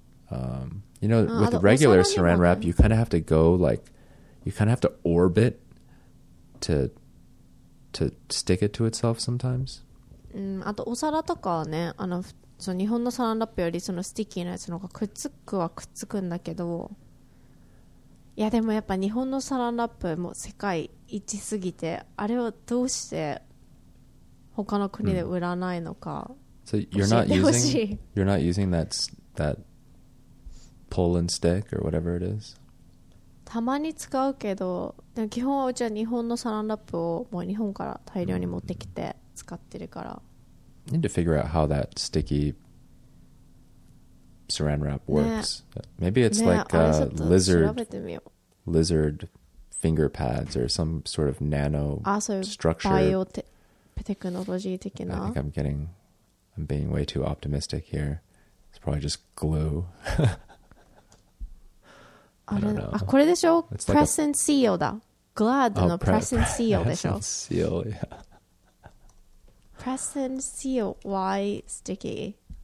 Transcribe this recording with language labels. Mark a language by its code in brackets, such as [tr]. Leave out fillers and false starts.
[en] You know, with regular saran wrap, you kind of have to go like, you kind of have to orbit. To stick it to itself sometimes. [ja] あとお皿とかはね、あのその日本のサランラップよりそのスティッキーなやつの方がくっつくはくっつくんだけど、いやでもやっぱ日本のサランラップも世界一すぎて、あれをどうして他の国で売らないのか。 [en] So you're not using that pull and stick or whatever it is? [ja] たまに使うけど、でも基本はうちは日本のサランラップをもう日本から大量に持ってきて使ってるから。 [en] Need to figure out how that sticky saran wrap works.、 [ja] ね、 [en] Maybe it's、 [ja] ね、 [en] like a lizard, [ja] ちょっと調べてみよう。 [en] Lizard finger pads or some sort of nano structure. [ja] あ、そういうバイオテクノロジー的な。 [en] I think I'm being way too optimistic here. It's probably just glue. [ja] あ、これでしょ、like、press and seal だ。Glad の press and seal でしょ。 [en] Press and seal, yeah. Press and seal, why sticky?